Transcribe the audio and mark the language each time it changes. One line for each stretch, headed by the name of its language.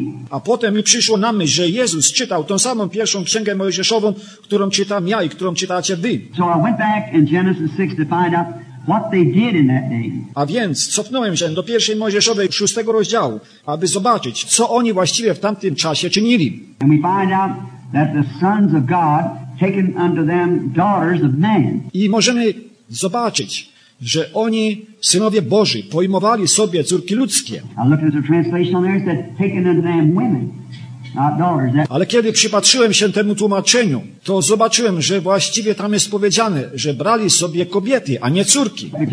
Polish: A potem mi przyszło na myśl, że Jezus czytał tą samą pierwszą księgę Mojżeszową, którą czytam ja i którą czytacie wy.
English: So I went back in Genesis 6 to find out what they did in that day.
Polish: A więc cofnąłem się do pierwszej Mojżeszowej 6 rozdziału, aby zobaczyć, co oni właściwie w tamtym czasie czynili.
English: And we find out that the sons of God taken unto them daughters of men.
Polish: I możemy zobaczyć, że oni, synowie Boży, pojmowali sobie córki ludzkie.
English: I looked at the translation on there and said taken unto them women.
Polish: Ale kiedy przypatrzyłem się temu tłumaczeniu, to zobaczyłem, że właściwie tam jest powiedziane, że brali sobie kobiety, a nie córki.